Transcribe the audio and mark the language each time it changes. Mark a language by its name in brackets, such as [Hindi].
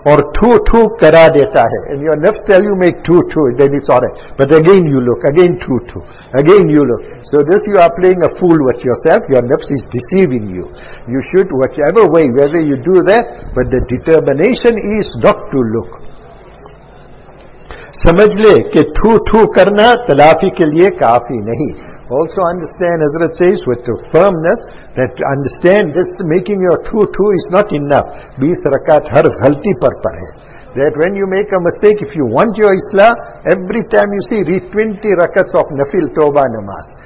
[Urdu] Aur thoo thoo kara deta hai. [English] And your nafs tell you make thoo thoo, then it's alright. But again you look, again thoo thoo, again you look. So this you are playing a fool with yourself, your nafs is deceiving you. You should, whichever way, whether you do that, but the determination is not to look. [Urdu] سمجھ لے کہ تھو تھو کرنا تلافی کے لیے کافی نہیں. [English] Also understand, Hazrat says, with the firmness, that understand this making your two two is not enough. [Urdu] 20 rakat har ghalti par par hai. [English] That when you make a mistake, if you want your islah, every time you see, read 20 rakats of nafil toba namaz.